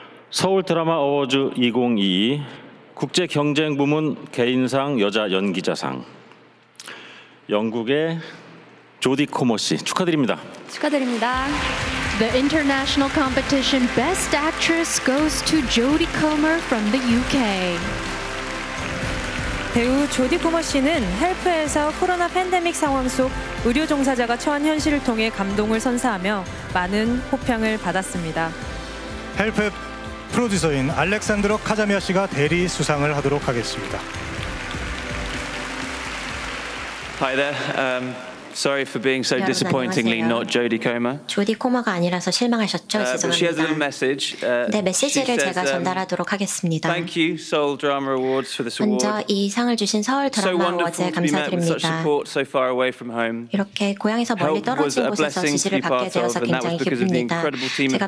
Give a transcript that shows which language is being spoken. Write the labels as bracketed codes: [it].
[ko] 서울 드라마 어워즈 2022 국제 경쟁 부문 개인상 여자 연기자상 영국의 조디 코머 씨 축하드립니다. 축하드립니다. [en] The international competition best actress goes to Jodie Comer from the UK. [ko] 배우 조디 코머 씨는 헬프에서 코로나 팬데믹 상황 속 의료 종사자가 처한 현실을 통해 감동을 선사하며 많은 호평을 받았습니다. 헬프 프로듀서인 알렉산드로 카자미아 씨가 대리 수상을 하도록 하겠습니다. [en] Hi there. Sorry for being so disappointingly not Jodie Comer. [ko] Jodie Comer가 아니라서 실망하셨죠? 죄송합니다. [en] She has a message. [ko] 네, 메시지를 제가 전달하도록 하겠습니다. [en] Thank you, Seoul Drama Awards for this award. [ko] 먼저 이 상을 주신 서울 드라마 어워즈에 감사드립니다. [en] So far away from home. [ko] 이렇게 고향에서 멀리 떨어진 곳에서 지지를 받게 되어서 굉장히 기쁩니다.